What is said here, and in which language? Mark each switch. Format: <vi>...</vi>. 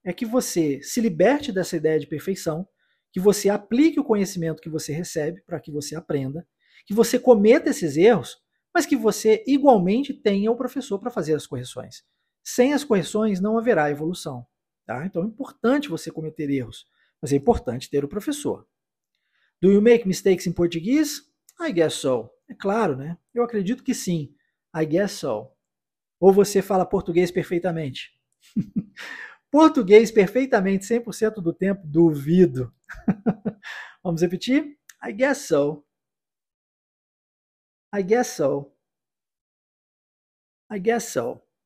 <pt>é que você se liberte dessa ideia de perfeição, que você aplique o conhecimento que você recebe para que você aprenda, que você cometa esses erros, mas que você igualmente tenha o professor para fazer as correções. Sem as correções não haverá evolução. Tá? Então é importante você cometer erros, mas é importante ter o professor.</pt> <en>Do you make mistakes in Portuguese? I guess so.</en> <pt>É claro, né? Eu acredito que sim. I guess so. Ou você fala português perfeitamente? Português perfeitamente, 100% do tempo, duvido. Vamos repetir?</pt> <en>I guess so. I guess so. I guess so.</en>